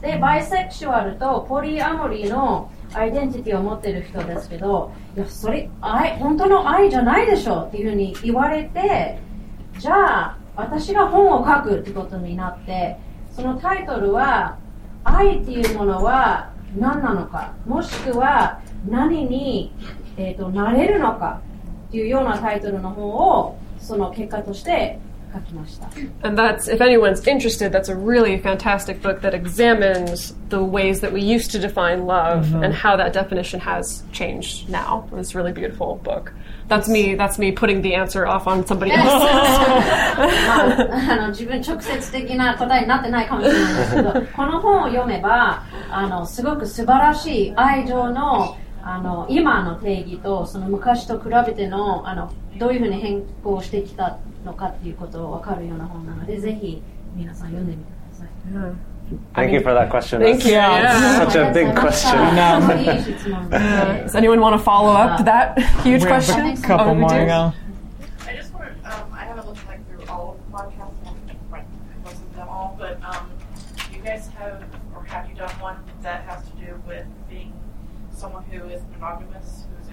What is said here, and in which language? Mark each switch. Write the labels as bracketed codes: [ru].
[ja] で、バイセクシュアルとポリアモリーのアイデンティティを持ってる人ですけど、いや、それ、愛、本当の愛じゃないでしょうっていうふうに言われて、じゃあ、私が本を書くってことになって、そのタイトルは、愛っていうものは何なのか、もしくは何に、なれるのかっていうようなタイトルの本を、その結果として [en] And that's, if anyone's interested, that's a really fantastic book that examines the ways that we used to define love mm-hmm. and how that definition has changed now. It's a really beautiful book. That's me. That's me putting the answer off on somebody else. [ja] まあ、あの、自分直接的な答えになってないかもしれないですけど、この本を読めば、あの、すごく素晴らしい愛情の、あの、今の定義とその昔と比べての、あの、どういうふうに変更してきたのかっていうことを分かるような本なので、ぜひ皆さん読んでみてください。 [en] Mm-hmm. Thank you for that question. Thank you. Yeah. Such a big question. No. Does anyone want to follow up to that huge we have question? A couple more. I just want to. I haven't looked like through all of the podcasts. Right, most of them all, but you guys have or have you done one that has to do with being someone who is monogamous?